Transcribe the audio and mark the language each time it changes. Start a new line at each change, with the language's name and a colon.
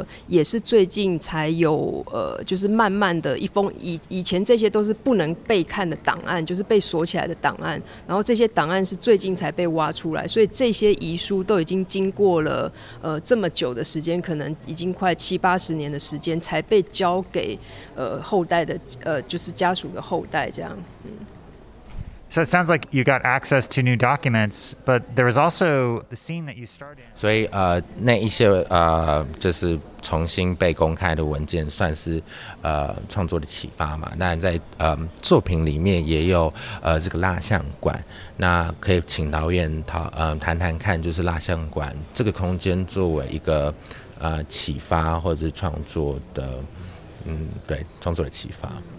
Chinese: 也是最近才有就是慢慢的一封，以前这些都是不能被看的档案，就是被锁起来的档案，然后这些档案是最近才被挖出来，所以这些遗书都已经经过了这么久的时间，可能已经快七八十年的时间才被交给后代的就是家属的后代这样。
English: So it sounds like you got access to new documents, but there was also the scene that you started.
Chinese: 所以那一些就是重新被公开的文件，算是创作的启发嘛。那在作品里面也有这个蜡像馆，那可以请导演谈谈看，就是蜡像馆这个空间作为一个启发或者是创作的对创作的启发，